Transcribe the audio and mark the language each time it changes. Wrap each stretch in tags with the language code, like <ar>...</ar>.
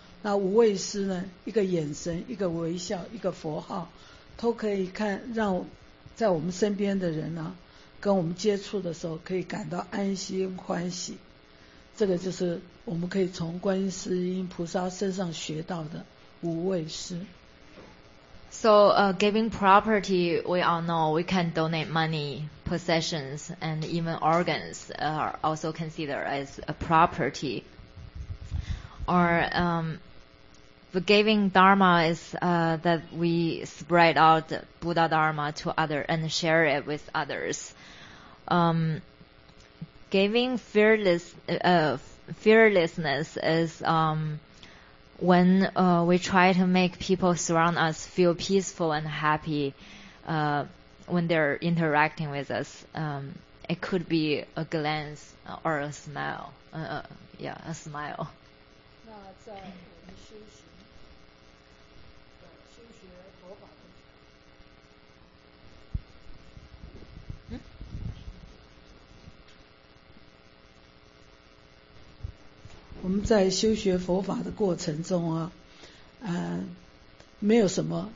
<zh>那无畏施呢，一个眼神、一个微笑、一个佛号，都可以看让在我们身边的人呢、啊，跟我们接触的时候可以感到安心欢喜。这个就是我们可以从观世音菩萨身上学到的无畏施。</zh> <en>So, giving property, we all know we can donate money, possessions, and even organs are also considered as a property. Or, the giving Dharma is, that we spread out Buddha Dharma to others and share it with others. Giving fearlessness is, when we try to make people surround us feel peaceful and happy when they're interacting with us, it could be a glance or a smile. Yeah, a smile.</en> <zh>那在我们修行，修学佛法的，我们在修学佛法的过程中啊，没有什么。</zh>